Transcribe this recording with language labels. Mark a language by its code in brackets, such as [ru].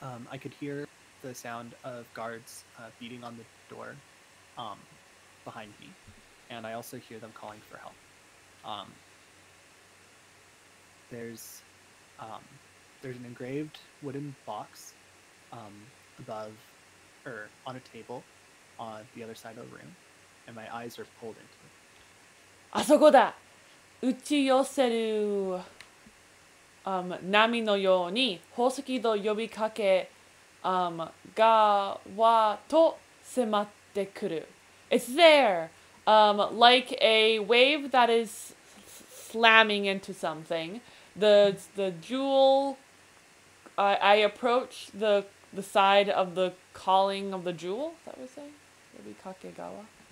[en] I could hear the sound of guards beating on the door behind me, and I also hear them calling for help. There's an engraved wooden box above or on a table on the other side of the room, and my eyes are pulled into it. [ja] あそこだ。打ち寄せる波のように宝石の呼びかけ側と迫ってくる。 [en] It's there, like a wave that is slamming into something. The jewel, I approach the side of the calling of the jewel, is that what we're saying? Maybe Kakegawa.